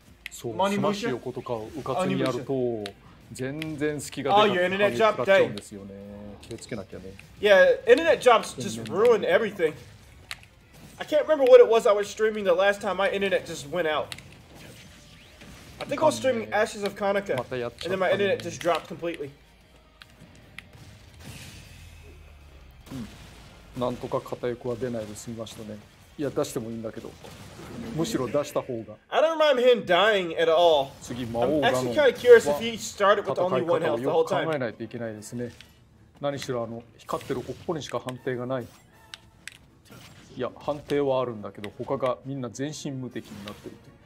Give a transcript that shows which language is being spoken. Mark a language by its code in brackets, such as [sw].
[ja] そう、スマッシュ横とかをうかつにやると全然隙が出なくて、食らっちゃうんですよね。気をつけなきゃね。 [en] Yeah, internet jumps just ruin everything. I can't remember what it was I was streaming the last time my internet just went out. I think I was streaming Ashes of Kanaka, and then my internet just dropped completely. [ja] なんとか片翼は出ないで済みましたね。いや出してもいいんだけど、むしろ出した方が。 [en] I don't remind him dying at all. [ja] 次魔王ガノン。 [en] I'm actually kind of curious if he started with only one health the whole time. [ja] 考えないといけないですね。何しろ光ってるここにしか判定がない。いや判定はあるんだけど、他がみんな全身無敵になってる。